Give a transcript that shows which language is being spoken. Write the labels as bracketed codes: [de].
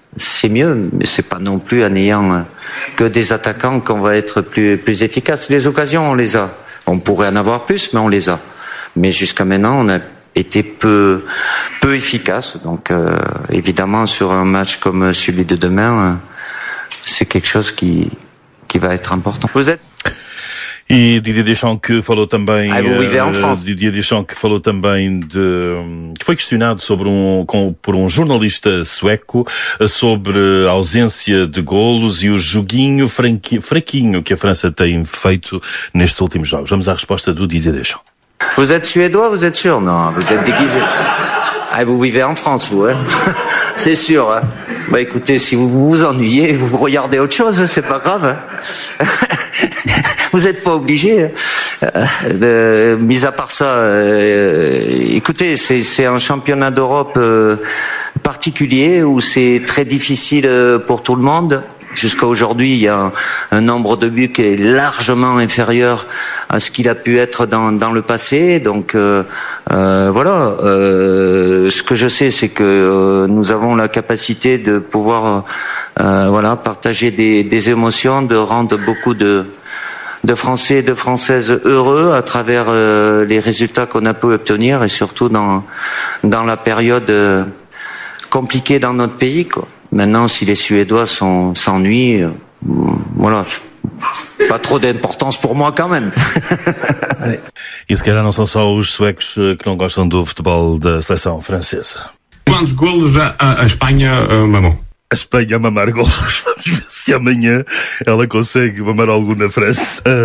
[fr] C'est mieux, mais c'est pas non plus en ayant que des attaquants qu'on va être plus efficace. Les occasions, on les a. On pourrait en avoir plus, mais on les a. Mais jusqu'à maintenant, on a été peu efficace. Donc, évidemment, sur un match comme celui de demain, c'est quelque chose qui va être important. Vous êtes? [pt] E Didier Deschamps que falou também que foi questionado por um jornalista sueco sobre a ausência de golos e o joguinho fraquinho que a França tem feito nestes últimos jogos. Vamos à resposta do Didier Deschamps. [fr] Vous êtes suédois, vous êtes sûr? Non, vous êtes déguisé. Ah, vous vivez en France, vous, hein? C'est sûr, hein? Bah écoutez, si vous vous ennuyez, vous regardez autre chose, c'est pas grave, hein? Vous êtes pas obligé. Mis à part ça, écoutez, c'est un championnat d'Europe particulier où c'est très difficile pour tout le monde. Jusqu'à aujourd'hui, il y a un nombre de buts qui est largement inférieur à ce qu'il a pu être dans le passé. Donc voilà, ce que je sais, c'est que nous avons la capacité de pouvoir voilà, partager des émotions, de rendre beaucoup de Français et de Françaises heureux à travers les résultats qu'on a pu obtenir et surtout dans la période compliquée dans notre pays, quoi. Maintenant, si les Suédois s'ennuient, voilà, pas trop d'importance pour moi quand même. Allez. [pt] Et se calhar não são só os suecos que não gostam do futebol da seleção francesa. Quantos golos a Espanha mamou? A Espanha mamar golos. Vamos ver se amanhã ela consegue mamar algum na França.